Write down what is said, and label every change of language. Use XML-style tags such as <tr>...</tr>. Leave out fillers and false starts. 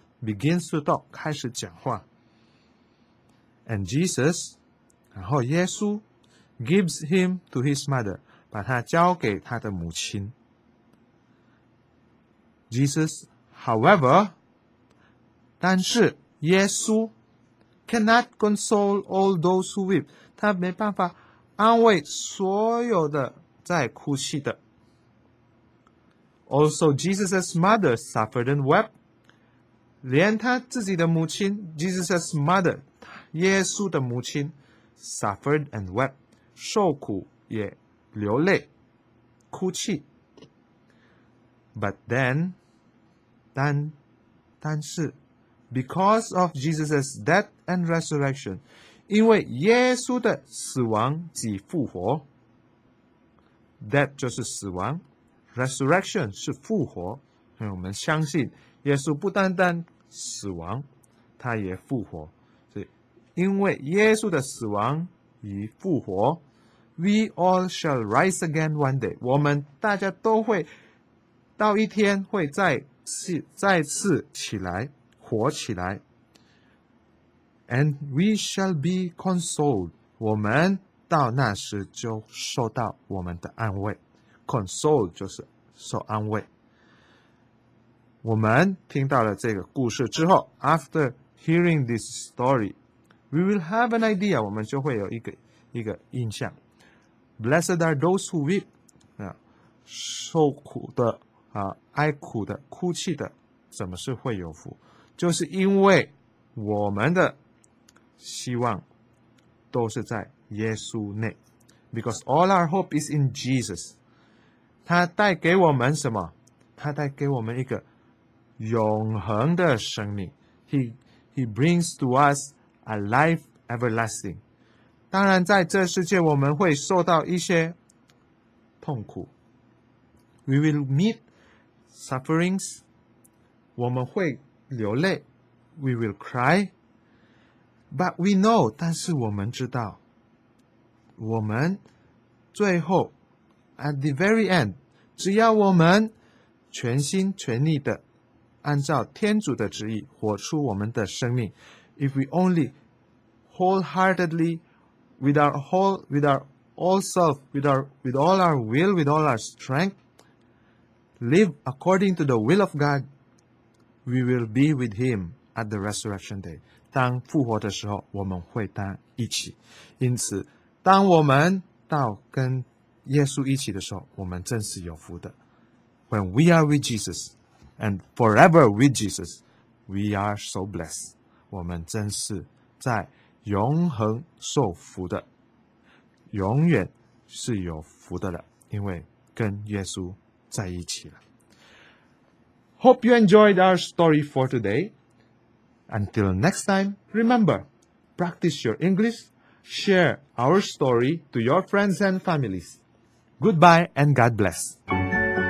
<en>Begins to talk，</en> <zh>开始讲话。</zh> <en>And Jesus，</en> <zh>然后耶稣</zh> <en>gives him to his mother，</en> <zh>把他交给他的母亲。</zh> <en>Jesus， however，</en> <zh>但是耶稣</zh> <en>cannot console all those who weep，</en> <zh>他没办法安慰所有的在哭泣的。</zh> <en>Also, Jesus' mother suffered and wept.</en> <zh>连他自己的母亲 ,</zh> <en>Jesus' mother,</en> <zh>耶稣的母亲</zh> <en>suffered and wept,</en> <zh>受苦也流泪哭泣。</zh> <en>But then,</en> <zh>但是</zh> <en>because of Jesus' death and resurrection,</en> <zh>因为耶稣的死亡及复活，</zh> <en>Death</en> <zh>就是死亡</zh> <en>，Resurrection</en> <zh>是复活。所以我们相信耶稣不单单死亡，他也复活。所以，因为耶稣的死亡与复活 ，</zh> <en>We all shall rise again one day。</en> <zh>我们大家都会到一天会再次起来，活起来。</zh> <en>And we shall be consoled。</en> <zh>我们到那时就受到我们的安慰 ，console 就是受安慰。我们听到了这个故事之后</zh> <en>，after hearing this story, we will have an idea.</en> <zh>我们就会有一个印象。</zh> <en>Blessed are those who weep,</en> <zh>受苦的啊，哀苦的，哭泣的，怎么是会有福？就是因为我们的希望都是在耶稣内 ，</zh> <en>because all our hope is in Jesus.</en> <zh>他带给我们什么？他带给我们一个永恒的生命。</zh> <en>He brings to us a life everlasting.</en> <zh>当然，在这世界我们会受到一些痛苦。</zh> <en>We will meet sufferings.</en> <zh>我们会流泪。</zh> <en>We will cry. But we know.</en> <zh>但是我们知道。我们最后</zh> <en>at the very end，</en> <zh>只要我们全心全力的按照天主的旨意活出我们的生命，</zh> <en>if we only wholeheartedly with all our will, with all our strength live according to the will of God， we will be with him at the resurrection day，</en> <zh>当复活的时候我们会当一起。因此当我们到跟耶稣一起的时候，我们真是有福的。</zh> <en>When we are with Jesus and forever with Jesus, we are so blessed.</en> <zh>我们真是在永恒受福的，永远是有福的了，因为跟耶稣在一起了。</zh> <en>Hope you enjoyed our story for today. Until next time, remember, practice your English. Share our story to your friends and families. Goodbye and God bless.</en>